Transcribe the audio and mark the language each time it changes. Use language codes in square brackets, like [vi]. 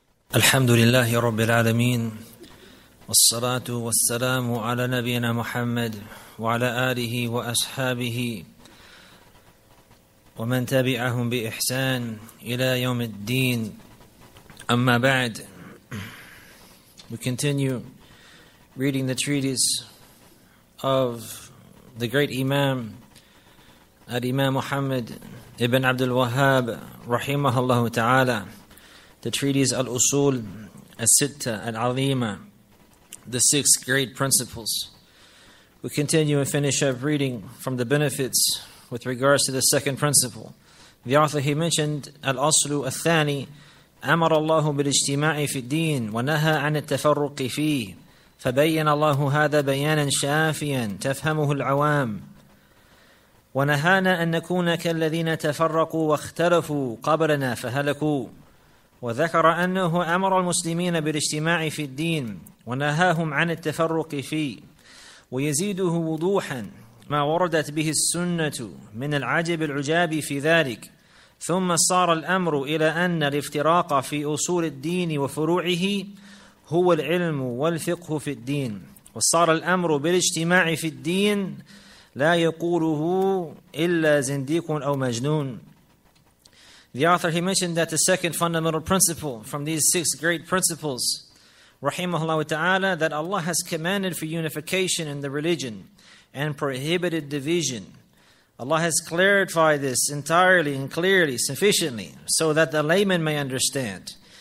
[ar] الحمد لله رب العالمين، والصلاة والسلام على نبينا محمد وعلى آله وأصحابه ومن تبعهم بإحسان إلى يوم الدين. أما بعد، [en] we continue reading the treatise of the great Imam, Imam Muhammad ibn Abdul Wahhab [ar] رحمه الله تعالى. [en] The treatise Al-Usul Al-Sitta Al-Azima, the six great principles. We continue and finish up reading from the benefits with regards to the second principle. The author, he mentioned Al-Aslu Al-Thani, [ar] أمر الله بالاجتماع في الدين ونهى عن التفرق فيه فبين الله هذا بيانا شافيا تفهمه العوام ونهانا أن نكون كالذين تفرقوا واختلفوا قبلنا فهلكوا وذكر أنه أمر المسلمين بالاجتماع في الدين ونهاهم عن التفرق فيه ويزيده وضوحا ما وردت به السنة من العجب العجاب في ذلك ثم صار الأمر إلى أن الافتراق في أصول الدين وفروعه هو العلم والفقه في الدين وصار الأمر بالاجتماع في الدين لا يقوله إلا زنديق أو مجنون. [en] The author, he mentioned that the second fundamental principle from these six great principles, rahimahullah ta'ala, that Allah has commanded for unification in the religion and prohibited division. Allah has clarified this entirely and clearly, sufficiently, so that the layman may understand.